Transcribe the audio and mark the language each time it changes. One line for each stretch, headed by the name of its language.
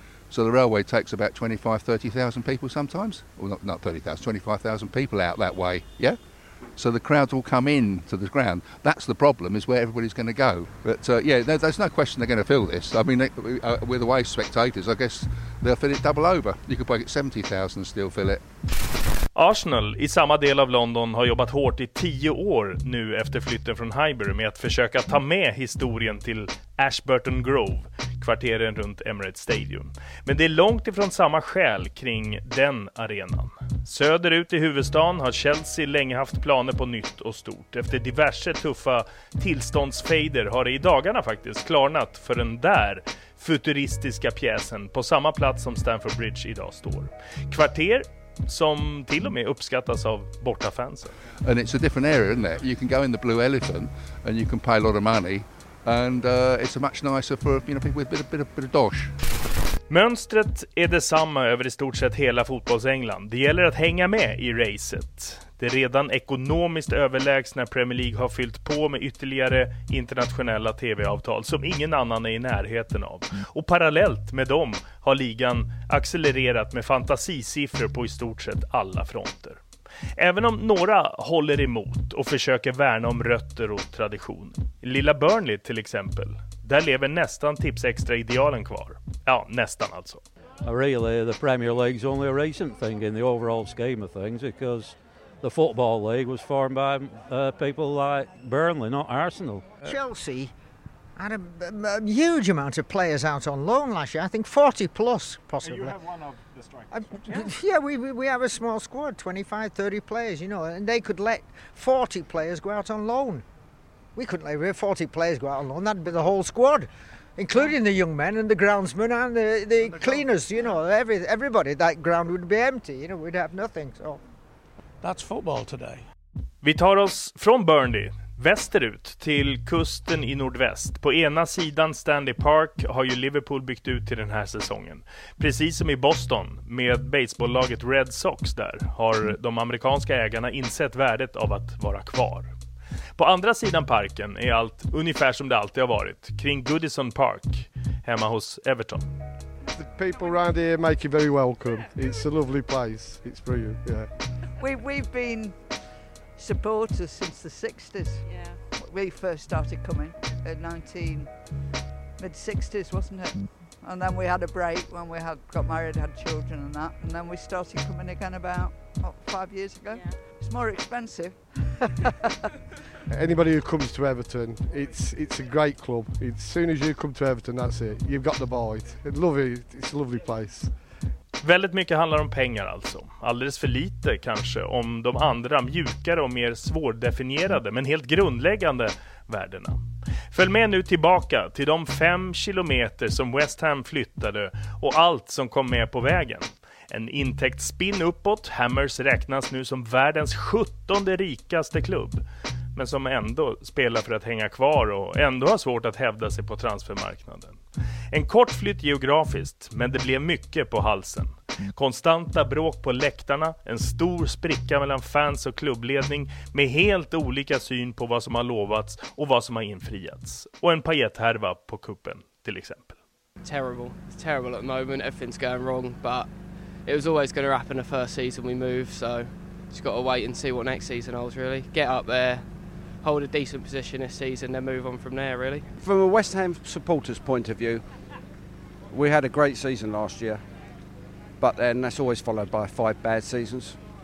English: So the railway takes about 25,000, 30,000 people sometimes. Well, not 30,000, 25,000 people out that way, yeah? So the crowds will come in to the ground. That's the problem, is where everybody's going to go. But, there's no question they're going to fill this. I mean, with away spectators, I guess they'll fill it double over. You could probably get 70,000 and still fill it.
Swedish: Arsenal i samma del av London har jobbat hårt i 10 år nu efter flytten från Highbury med att försöka ta med historien till Ashburton Grove, kvarteren runt Emirates Stadium. Men det är långt ifrån samma skäl kring den arenan. Söderut i huvudstaden har Chelsea länge haft planer på nytt och stort. Efter diverse tuffa tillståndsfejder har det i dagarna faktiskt klarnat för den där futuristiska pjäsen på samma plats som Stamford Bridge idag står. Kvarter som till och med uppskattas av bortafansen.
English: And it's a different area, isn't it? You can go in the Blue Elephant and you can pay a lot of money and it's a much nicer for, you know, people with a bit of dosh.
Swedish: Mönstret är detsamma över i stort sett hela fotbollsengland. Det gäller att hänga med i racet. Det redan ekonomiskt överlägsna Premier League har fyllt på med ytterligare internationella tv-avtal som ingen annan är i närheten av. Och parallellt med dem har ligan accelererat med fantasisiffror på i stort sett alla fronter. Även om några håller emot och försöker värna om rötter och tradition. Lilla Burnley till exempel, där lever nästan Tipsextra-idealen kvar. Ja, nästan alltså.
English: Really, the Premier League's only a recent thing in the overall scheme of things because the Football League was formed by people like Burnley, not Arsenal. Chelsea had a huge amount of players out on loan last year, I think 40 plus possibly. And you have one of the strikers. Yeah, we have a small squad, 25, 30 players, you know, and they could let 40 players go out on loan. We couldn't let 40 players go out on loan, that'd be the whole squad, including the young men and the groundsmen and the cleaners, you know, everybody. That ground would be empty, you know, we'd have nothing, so. That's football today.
Swedish: Vi tar oss från Burnley västerut till kusten i nordväst. På ena sidan Stanley Park har ju Liverpool byggt ut till den här säsongen. Precis som i Boston med baseballlaget Red Sox där har de amerikanska ägarna insett värdet av att vara kvar. På andra sidan parken är allt ungefär som det alltid har varit kring Goodison Park hemma hos Everton.
English: The people around here make you very welcome. It's a lovely place. It's for you, yeah. We've been supporters since the 60s. Yeah. We first started coming in mid-60s, wasn't it? And then we had a break when we got married, had children and that. And then we started coming again about, 5 years ago? Yeah. It's more expensive. Anybody who comes to Everton, it's a great club. As soon as you come to Everton, that's it. You've got the boy. It's a lovely place.
Swedish: Väldigt mycket handlar om pengar alltså. Alldeles för lite kanske om de andra mjukare och mer svårdefinierade men helt grundläggande värdena. Följ med nu tillbaka till de 5 kilometer som West Ham flyttade och allt som kom med på vägen. En intäktsspinn uppåt, Hammers räknas nu som världens 17:e rikaste klubb. Men som ändå spelar för att hänga kvar och ändå har svårt att hävda sig på transfermarknaden. En kort flytt geografiskt, men det blev mycket på halsen. Konstanta bråk på läktarna, en stor spricka mellan fans och klubbledning med helt olika syn på vad som har lovats och vad som har infriats. Och en pajetthärva på kuppen, till exempel.
English: Terrible. It's terrible at the moment. Everything's going wrong, but it was always going to happen the first season we moved, so just got to wait and see what next season holds, really. Get up there. Hold a decent position this season, then move on from there, really. From a West Ham supporter's point of view, we had a great season last year, but then that's always followed by 5 bad seasons.